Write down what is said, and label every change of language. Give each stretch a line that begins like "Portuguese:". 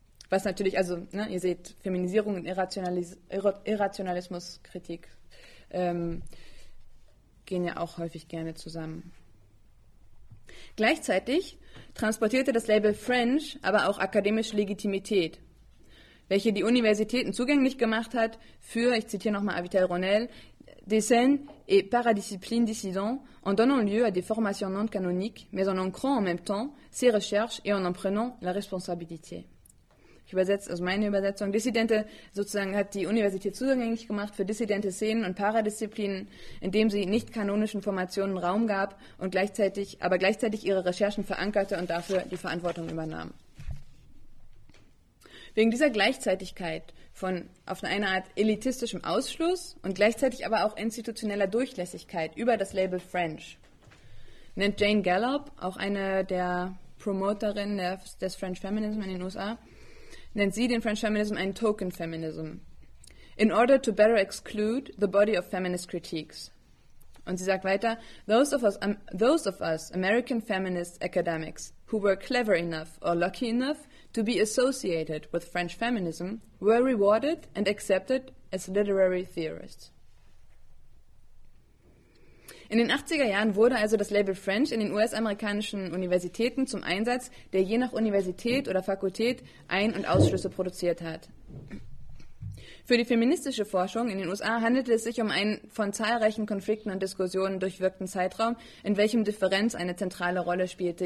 German: Was natürlich, also ne, ihr seht, Feminisierung und Irrationalismuskritik gehen ja auch häufig gerne zusammen. Gleichzeitig transportierte das Label French aber auch akademische Legitimität, welche die Universitäten zugänglich gemacht hat für, ich zitiere nochmal Avital Ronel,
French: des scènes et paradisciplines dissidents en donnant lieu à des formations non canoniques, mais en ancrant en même temps ses recherches et en prenant la responsabilité.
German: Übersetzt, also meine Übersetzung, Dissidente sozusagen hat die Universität zugänglich gemacht für dissidente Szenen und Paradisziplinen, indem sie nicht kanonischen Formationen Raum gab und gleichzeitig ihre Recherchen verankerte und dafür die Verantwortung übernahm. Wegen dieser Gleichzeitigkeit von auf eine Art elitistischem Ausschluss und gleichzeitig aber auch institutioneller Durchlässigkeit über das Label French nennt Jane Gallop, auch eine der Promoterinnen des French Feminism in den USA, nennt sie den French Feminism einen Token Feminism.
English: In order to better exclude the body of feminist critiques.
German: Und sie sagt weiter,
English: those of us American feminist academics who were clever enough or lucky enough to be associated with French feminism were rewarded and accepted as literary theorists.
German: In den 80er Jahren wurde also das Label French in den US-amerikanischen Universitäten zum Einsatz, der je nach Universität oder Fakultät Ein- und Ausschlüsse produziert hat. Für die feministische Forschung in den USA handelte es sich um einen von zahlreichen Konflikten und Diskussionen durchwirkten Zeitraum, in welchem Differenz eine zentrale Rolle spielte.